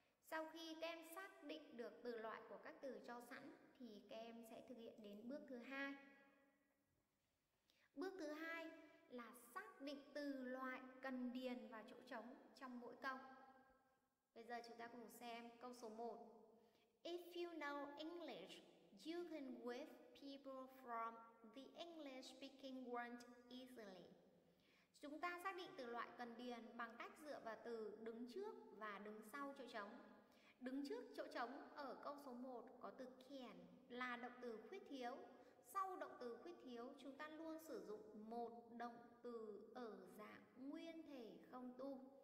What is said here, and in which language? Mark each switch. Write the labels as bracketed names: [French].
[Vietnamese] Sau khi các em xác định được từ loại của các từ cho sẵn thì các em sẽ thực hiện đến bước thứ hai. Bước thứ hai là xác định từ loại cần điền vào chỗ trống trong mỗi câu. Bây giờ chúng ta cùng xem câu số 1. [English] If you know English, you can with people from the English speaking world easily. [Vietnamese] Chúng ta xác định từ loại cần điền bằng cách dựa vào từ đứng trước và đứng sau chỗ trống. Đứng trước chỗ trống ở câu số 1 có từ can, là động từ khuyết thiếu. Sau động từ khuyết thiếu, chúng ta luôn sử dụng một động từ ở dạng nguyên thể không tu.